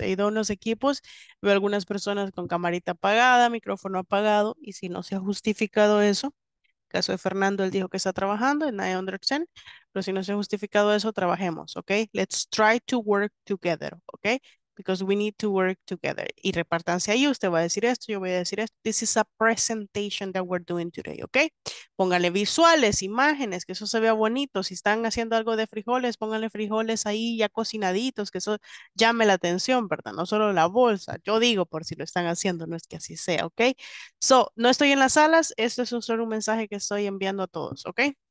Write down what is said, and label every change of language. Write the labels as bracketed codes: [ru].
[es] He ido a unos equipos, veo algunas personas con camarita apagada, micrófono apagado, y si no se ha justificado eso, caso de Fernando, él dijo que está trabajando, [en] and I understand, [es] pero si no se ha justificado eso, trabajemos, ¿ok? [en] Let's try to work together, ¿ok? Because we need to work together. [es] Y repártanse ahí, usted va a decir esto, yo voy a decir esto. [en] This is a presentation that we're doing today, ¿ok? [es] Póngale visuales, imágenes, que eso se vea bonito. Si están haciendo algo de frijoles, pónganle frijoles ahí ya cocinaditos, que eso llame la atención, ¿verdad? No solo la bolsa. Yo digo por si lo están haciendo, no es que así sea, ¿ok? So, no estoy en las salas, esto es solo un mensaje que estoy enviando a todos, ¿ok?